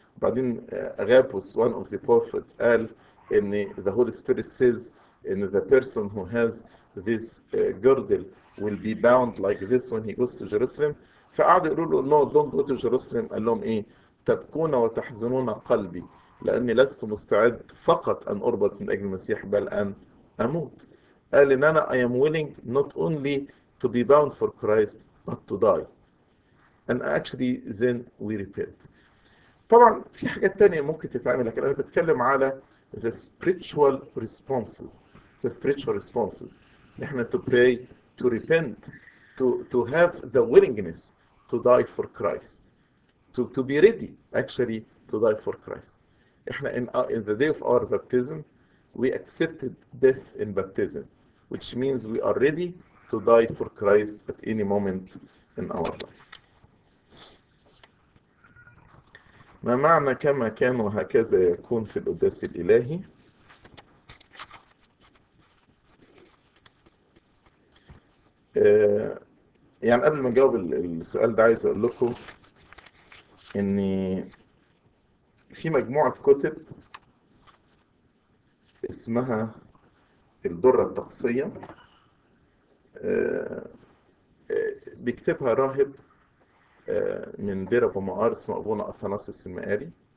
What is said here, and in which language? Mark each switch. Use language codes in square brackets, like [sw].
[ar] بعدين [en] Agabus, one of the prophets, [ar] قال ان [en] the Holy Spirit says ان the person who has this girdle will be bound like this when he goes to Jerusalem. [ar] فقعدوا يقولوا له [en] no, don't go to Jerusalem. [ar] قال لهم ايه؟ تبكون وتحزنون قلبي لاني لست مستعد فقط ان اربط من اجل المسيح بل ان اموت. قال ان انا [en] I am willing not only to be bound for Christ but to die. And actually then we repent. [ar] طبعا في حاجات تانية ممكن تتعمل لكن أنا بتكلم على [en] the spiritual responses. The spiritual responses. نحن to pray, to repent, to have the willingness to die for Christ. To be ready actually to die for Christ. احنا in the day of our baptism, we accepted death in baptism, which means we are ready to die for Christ at any moment in our life. [ar] ما معنى كما كان وهكذا يكون في القداس الإلهي؟ يعني قبل ما أجاوب السؤال ده عايز أقول لكم إن في مجموعة كتب اسمها الدرة الطقسية بيكتبها راهب من ديرة بومار اسمه أبونا أثناسيوس المقاري.